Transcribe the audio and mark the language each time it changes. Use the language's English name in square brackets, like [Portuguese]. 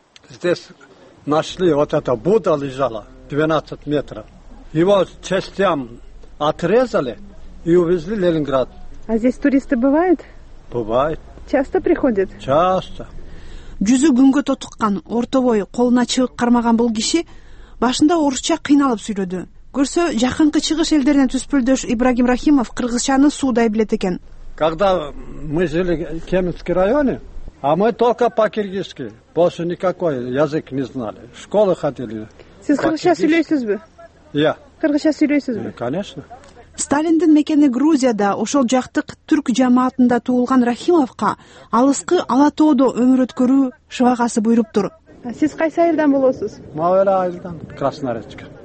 [Russian] Здесь нашли вот это Будда лежала 12 метров. Его частям отрезали и увезли в Ленинград. А здесь туристы бывают? Бывают. Часто приходят? Часто. [Kyrgyz] жүзү күнгө тотуккан, орто бой, колуна чыгык кармаган бул киши башында орусча кыйналып сүйлөдү. Көрсө, жакынкы чыгыш элдеринен түспөлдөш Ибрагим Рахимов кыргызчаны суудай билет экен. [Russian] Когда мы жили в Кеминском районе, а мы только по-киргизски, больше никакой язык не знали. В школу ходили. [Kyrgyz] Сиз кыргызча сүйлөйсүзбү? [Russian] Я. [Kyrgyz] Кыргызча сүйлөйсүзбү? [Russian] Конечно. [Kyrgyz] Сталиндин мекени Грузияда, ошол жактык түрк жамаатында туулган Рахимовко алыскы Ала Тоодо өмүр өткөрүү шыбагасы буйруптур. Сиз кайсы айылдан болосуз? [Russian] Мавел айылдан, Краснорецке.